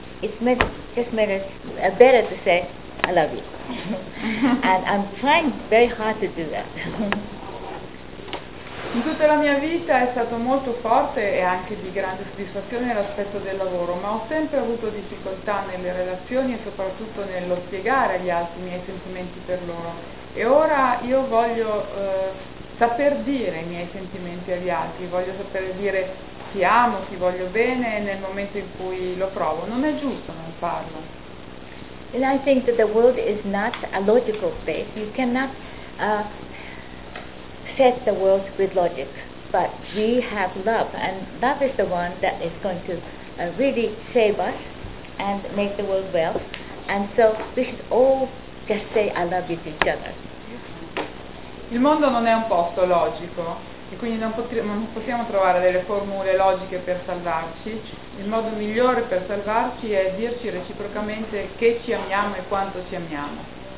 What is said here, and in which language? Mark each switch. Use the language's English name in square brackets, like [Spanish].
[English] It's made it better to say, I love you. And I'm trying very hard to do that. [Italian] In tutta la mia vita è stato molto forte e anche di grande soddisfazione l'aspetto del lavoro, ma ho sempre avuto difficoltà nelle relazioni e soprattutto nello spiegare agli altri i miei sentimenti per loro. E ora io voglio saper dire i miei sentimenti agli altri, voglio saper dire ti amo, ti voglio bene nel momento in cui lo provo. Non è giusto non farlo. [English] And I think that the world is not a logical place. You cannot set the world with logic, but we have love, and love is the one that is going to really save us and make the world well. And so we should all just say I love you to each other. [Italian] Il mondo non è un posto logico, e quindi non possiamo trovare delle formule logiche per salvarci. Il modo migliore per salvarci è dirci reciprocamente che ci amiamo e quanto ci amiamo.